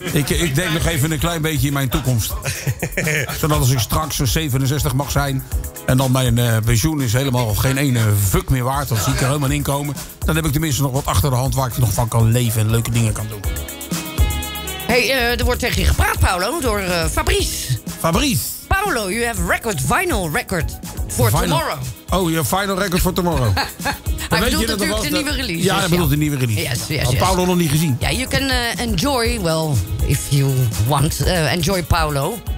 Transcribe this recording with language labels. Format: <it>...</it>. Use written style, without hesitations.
<nl>Ik denk nog even een klein beetje in mijn toekomst. Zodat als ik straks 67 mag zijn... en dan mijn pensioen is helemaal geen ene fuck meer waard... dan zie ik er helemaal in komen. Dan heb ik tenminste nog wat achter de hand... waar ik nog van kan leven en leuke dingen kan doen. Hey, er wordt tegen je gepraat, Paolo, door Fabrice.</nl> <en>Paolo, you have record, vinyl record for tomorrow. Oh, je final record for tomorrow.</en> <nl>Hij bedoelt natuurlijk de nieuwe release. Ja, hij bedoelt de nieuwe release.</nl> <en>Yes.</en> <nl>Paolo nog niet gezien.</nl> <en>Ja, you can enjoy, well, if you want, enjoy Paolo.</en>